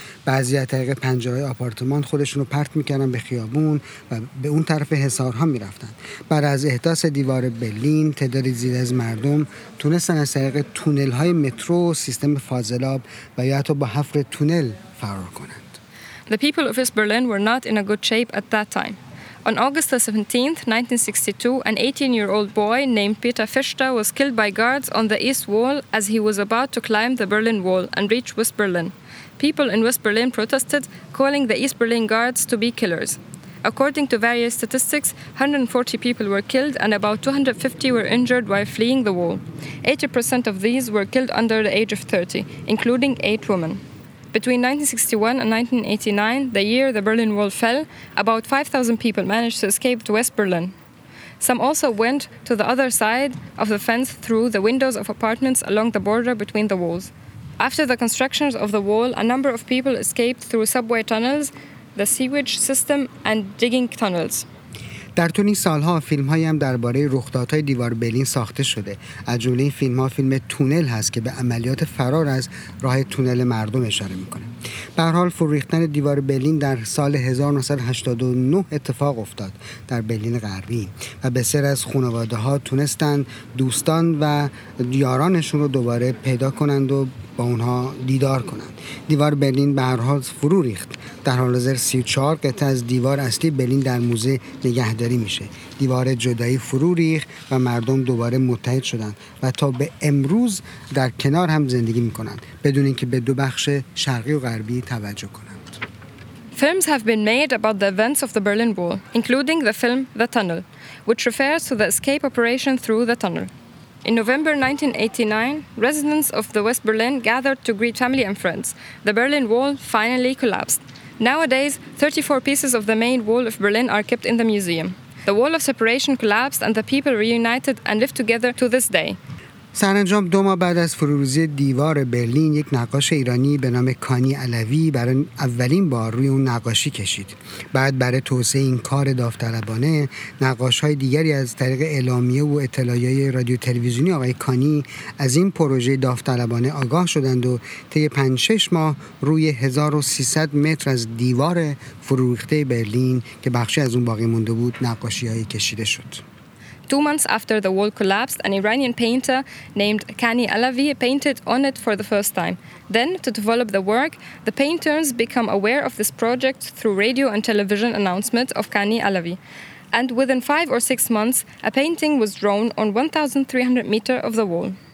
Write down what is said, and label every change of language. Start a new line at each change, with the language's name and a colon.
Persian: بعضی از طریق پنجره‌های آپارتمان خودشونو پرت می‌کردن به خیابون و به اون طرف حصارها می‌رفتن. بعد از احداث دیوار برلین تعداد زیادی از مردم تونستن از طریق تونل‌های مترو، سیستم فاضلاب و یا حتی با حفر تونل فرار کنند.
English: The people of East Berlin were not in a good shape at that time. On August 17, 1962, an 18-year-old boy named Peter Fichter was killed by guards on the East Wall as he was about to climb the Berlin Wall and reach West Berlin. People in West Berlin protested, calling the East Berlin guards to be killers. According to various statistics, 140 people were killed and about 250 were injured while fleeing the wall. 80% of these were killed under the age of 30, including 8 women. Between 1961 and 1989, the year the Berlin Wall fell, about 5,000 people managed to escape to West Berlin. Some also went to the other side of the fence through the windows of apartments along the border between the walls. After the construction of the wall, a number of people escaped through subway tunnels, the sewage system, and digging tunnels.
Persian: در طول این سالها فیلم‌هایی هم درباره رخدادهای دیوار برلین ساخته شده. از جمله این فیلم‌ها فیلم تونل هست که به عملیات فرار از راه تونل مردم اشاره می‌کنه. به هر حال فرو ریختن دیوار برلین در سال 1989 اتفاق افتاد در برلین غربی و بسیاری از خانواده‌ها تونستند دوستان و یارانشون رو دوباره پیدا کنند و با اونها دیدار کنند. دیوار برلین به هر حال فرو ریخت. در حال حاضر 34 قطعه از دیوار اصلی برلین در موزه نگهداری میشه. دیوار جدایی فرو ریخت و مردم دوباره متحد شدند و تا به امروز در کنار هم زندگی میکنند بدون اینکه به دو بخش شرقی و غربی توجه کنند.
English: Films have been made about the events of the Berlin Wall, including the film The Tunnel, which refers to the escape operation through the tunnel. In November 1989, residents of the West Berlin gathered to greet family and friends. The Berlin Wall finally collapsed. Nowadays, 34 pieces of the main wall of Berlin are kept in the museum. The wall of separation collapsed and the people reunited and live together to this day.
Persian: سرانجام دو ماه بعد از فروریزی دیوار برلین یک نقاش ایرانی به نام کانی علوی برای اولین بار روی اون نقاشی کشید. بعد برای توسعه این کار داوطلبانه نقاش‌های دیگری از طریق اعلامیه و اطلاعیه رادیو تلویزیونی آقای کانی از این پروژه داوطلبانه آگاه شدند و طی 5-6 ماه روی 1300 متر از دیوار فروریخته برلین که بخشی از اون باقی مونده بود نقاشی‌های کشیده شد.
English: 2 months after the wall collapsed, an Iranian painter named Kani Alavi painted on it for the first time. Then, to develop the work, the painters become aware of this project through radio and television announcement of Kani Alavi. And within 5 or 6 months, a painting was drawn on 1,300 meters of the wall.